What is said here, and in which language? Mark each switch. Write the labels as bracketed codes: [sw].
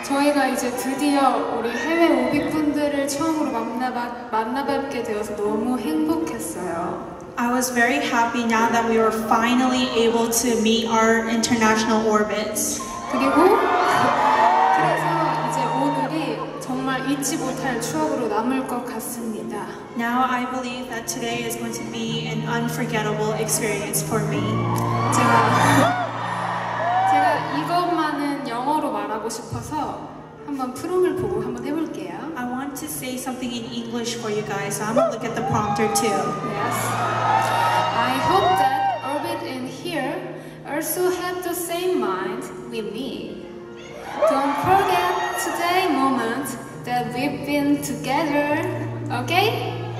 [ko] 저희가 이제 드디어 우리 해외 오비분들을 처음으로 만나뵙게 되어서 너무 행복했어요. [en] I was very happy now that we were finally able to meet our international orbits. [ko] 그리고 그래서 이제 오늘이 정말 잊지 못할 추억으로 남을 것 같습니다. [en] Now I believe that today is going to be an unforgettable experience for me. [ko] 제가 이것만은 영어로 말하고 싶어서 한번 프롬을 보고 한번 해볼게요. [en] I want to say something in English for you guys, so I'm gonna look at the prompter too. Yes. I hope that Orbit in here also have the same mind with me. Don't forget today moment that we've been together, okay?